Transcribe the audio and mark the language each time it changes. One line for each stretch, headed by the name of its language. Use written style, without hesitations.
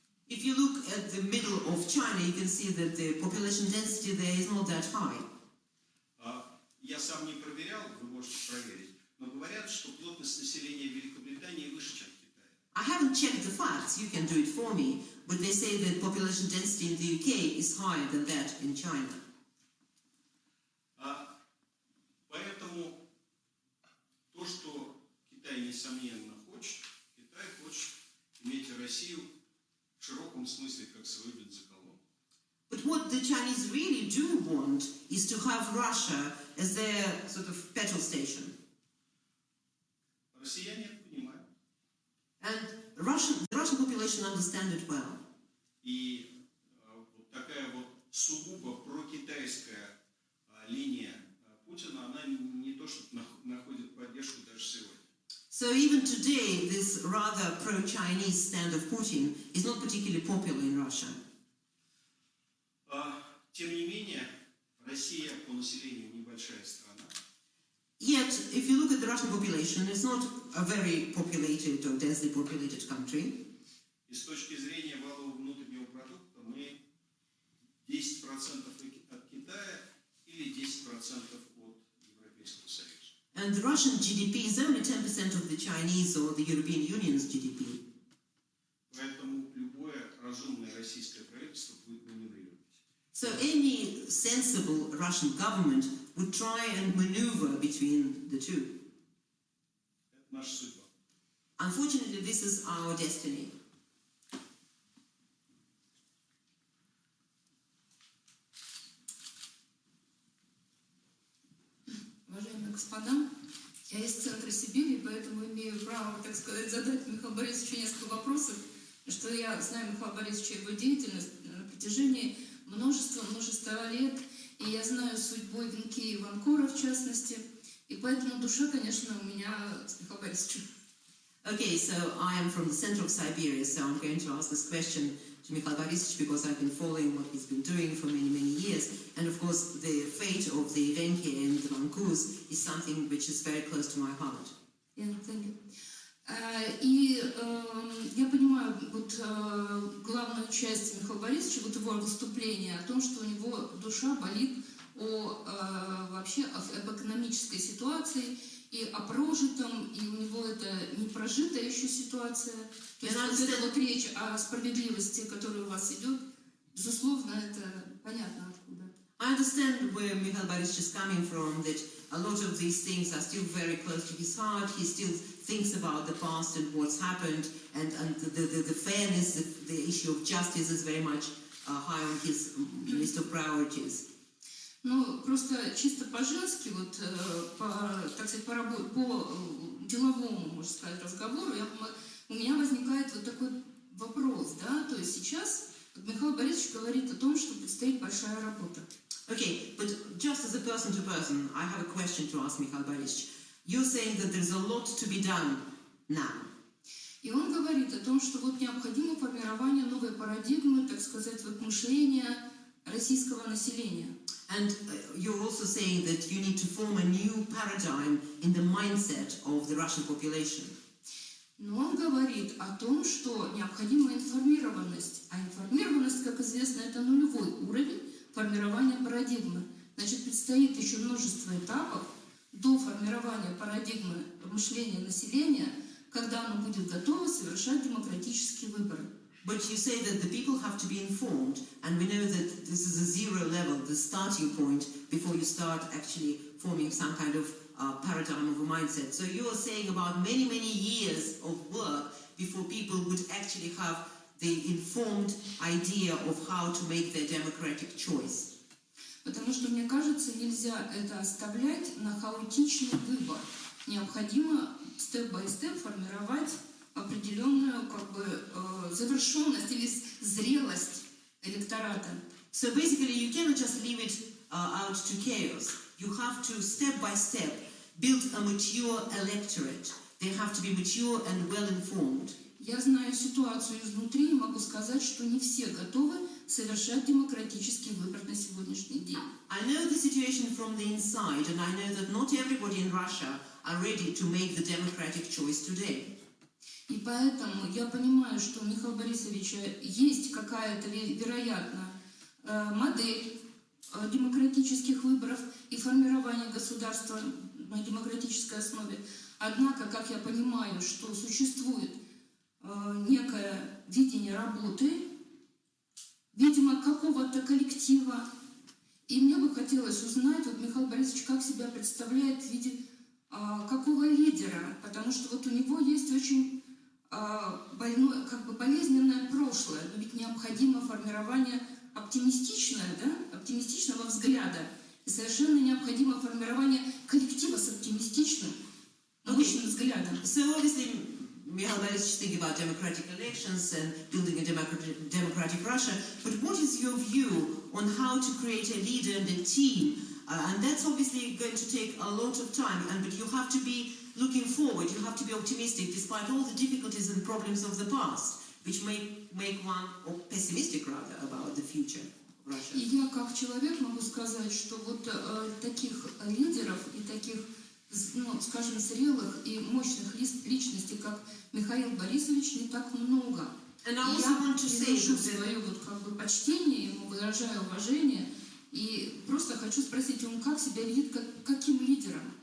English: If you look at the middle of China, you can see that the population density there is not that high.
Russian: Я сам не проверял, вы можете проверить, но говорят, что плотность населения Великобритании выше, чем в Китае.
English: I haven't checked the facts, you can do it for me, but they say that population density in the UK is higher than that in China.
Russian: Поэтому то, что Китай несомненно хочет, Китай хочет иметь Россию в широком смысле как свою бензоколонку.
English: But what the Chinese really do want is to have Russia as their sort of petrol station.
Russian: Россияне понимают.
English: And the Russian population understand it well.
Russian: И вот такая вот сугубо прокитайская линия Путина, она не то что находит поддержку даже сегодня.
English: So even today, this rather pro-Chinese stand of Putin is not particularly popular in Russia.
Russian: Тем не менее, Россия по населению небольшая страна.
English: Yet, if you look at the Russian population, it's not a very populated or densely populated country.
Russian: И с точки зрения валового внутреннего продукта, мы 10% от Китая или 10% от Европейского Союза.
English: And the Russian GDP is only 10% of the Chinese or the European Union's GDP.
Russian: Поэтому любое разумное российское правительство будет маневрировать.
English: So any sensible Russian government would try and maneuver between the two. Unfortunately, this is our destiny.
Russian: Уважаемые господа, я из центра Сибири, поэтому имею право, так сказать, задать Михаилу Борисовичу несколько вопросов, что я знаю Михаила Борисовича, его деятельность на протяжении множество лет, и я знаю судьбу Венки и Ванкора, в частности, и поэтому душа, конечно, у меня с Михаилом Борисовичем.
English: Okay, so I am from the center of Siberia, so I'm going to ask this question to Mikhail Borisovich, because I've been following what he's been doing for many, many years, and of course the fate of the Venki and the Vankors is something which is very close to my heart. Yeah, thank you.
Russian: И я понимаю вот главную часть Михаила Борисовича, вот его выступления, о том, что у него душа болит о вообще об экономической ситуации и о прожитом, и у него это не прожитая еще ситуация. То есть вот эта вот речь о справедливости, которая у вас идет, безусловно, это понятно откуда.
English: I understand where Михаил Борисович is coming from, that a lot of these things are still very close to his heart, he still thinks about the past and what's happened, and the fairness, the issue of justice is very much high on his list of priorities.
Russian: Ну, просто чисто по-женски, вот, по, так сказать, по работе, по деловому, можно сказать, разговору, у меня возникает вот такой вопрос, да, то есть сейчас Михаил Борисович говорит о том, что предстоит большая работа.
English: Okay, but just as a person to person, I have a question to ask Mikhail Borisovich. You're saying that there's a lot to be done now.
Russian: И он говорит о том, что вот необходимо формирование новой парадигмы, так сказать, вот мышления российского населения.
English: And you're also saying that you need to form a new paradigm in the mindset of the Russian population.
Russian: Но он говорит о том, что необходима информированность, а информированность, как известно, это нулевой уровень формирования парадигмы. Значит, предстоит еще множество этапов до формирования парадигмы мышления населения, когда оно будет готово совершать демократические выборы.
English: But you say that the people have to be informed, and we know that this is a zero level, the starting point, before you start actually forming some kind of paradigm of a mindset. So you are saying about many, many years of work before people would actually have the informed idea of how to make their democratic choice.
Russian: Потому что, мне кажется, нельзя это оставлять на хаотичный выбор. Необходимо
English: step-by-step
Russian: формировать определенную как бы завершенность или зрелость электората.
English: So basically you cannot just leave it out to chaos. You have to step-by-step build a mature electorate. They have to be mature and well-informed.
Russian: Я знаю ситуацию изнутри и могу сказать, что не все готовы совершать демократический выбор на сегодняшний день.
English: I know the situation from the inside, and I know that not everybody in Russia are ready to make the democratic choice today.
Russian: И поэтому я понимаю, что у Михаила Борисовича есть какая-то, вероятно, модель демократических выборов и формирования государства на демократической основе. Однако, как я понимаю, что существует некое видение работы, видимо, какого-то коллектива. И мне бы хотелось узнать, вот Михаил Борисович, как себя представляет в виде какого лидера, потому что вот у него есть очень больное, как бы болезненное прошлое, но ведь необходимо формирование оптимистичное, да, оптимистичного взгляда, и совершенно необходимо формирование коллектива с оптимистичным, научным взглядом.
English: So obviously, Mikhail Borisovich is thinking about democratic elections and building a democratic Russia, but what is your view on how to create a leader and a team? And that's obviously going to take a lot of time, but you have to be looking forward, you have to be optimistic despite all the difficulties and problems of the past, which may make one pessimistic rather about the future of Russia.
Russian: И я как человек могу сказать, что вот таких лидеров и таких, ну, скажем, зрелых и мощных личностей, как Михаил Борисович, не так много.
English: And I also want to say,
Russian: что свое вот как бы почтение ему выражаю уважение и просто хочу спросить, он как себя видит, каким лидером?